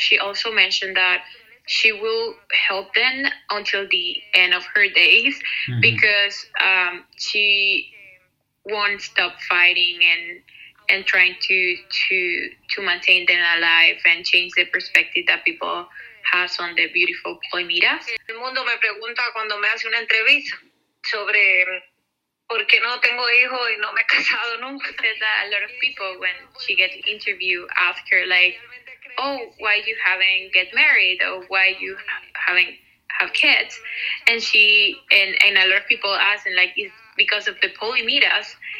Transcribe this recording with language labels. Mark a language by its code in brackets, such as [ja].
[en] She also mentioned that she will help them until the end of her days because she won't stop fighting and trying to maintain them alive and change the perspective that people have on the beautiful polymeras. [es] El mundo me pregunta cuando me hace una entrevista sobre... Porque no tengo hijo y no me he casado nunca. [en] She said that a lot of people, when she gets interviewed, ask her like, "Oh, why you haven't get married? Or why you haven't have kids?" And she and a lot of people ask, and like, "Is because of the polymeras?"